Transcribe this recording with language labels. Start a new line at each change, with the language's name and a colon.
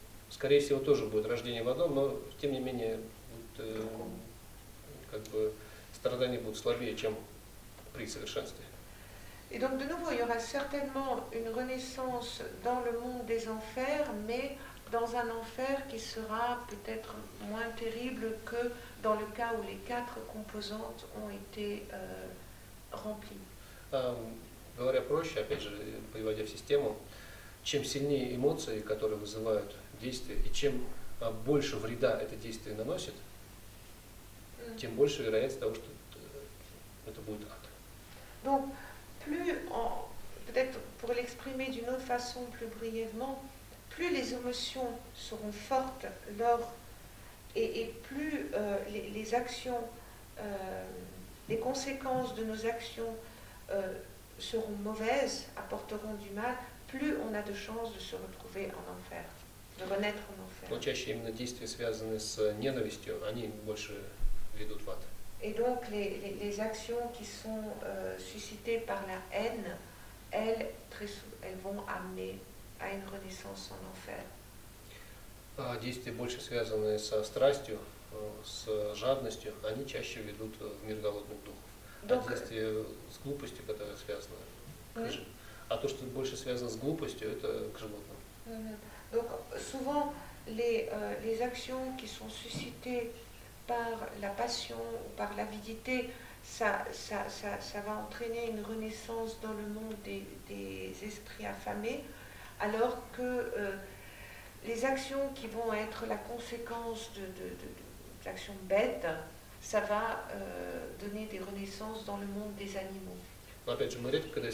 Russian: Скорее всего, тоже будет рождение в аду, но тем не менее будет, страдания будут слабее, чем при совершенстве.
French: И donc de nouveau, il y aura certainement une renaissance dans le monde des enfers, mais dans un enfer qui sera peut-être moins terrible que dans le cas où les quatre composantes ont été remplies.
Russian: Говоря проще, опять же, приводя в систему, чем сильнее эмоции, которые вызывают действие, и чем больше вреда это действие наносит, тем больше вероятность того, что это будет ад.
French: Donc, plus en, peut-être pour l'exprimer d'une autre façon, plus brièvement, plus les émotions seront fortes, lors et plus les actions, les conséquences de nos actions seront mauvaises, apporteront du mal, plus on a de chances de se retrouver en enfer.
Russian: Но чаще именно действия, связанные с ненавистью, они больше ведут в ад.
French: Et donc les actions qui sont suscitées par la haine, elles vont amener à une renaissance en enfer.
Russian: Действия больше связанные со страстью, с жадностью, они чаще ведут в мир голодных духов.
French: Donc,
Russian: а действия с глупостью, которые связаны, а то, что больше связано с глупостью, это к животным.
French: Donc souvent les actions qui sont suscitées par la passion ou par l'avidité, ça va entraîner une renaissance dans le monde des esprits affamés, alors que les actions qui vont être la conséquence de actions bêtes, ça va donner des renaissances dans le monde des animaux.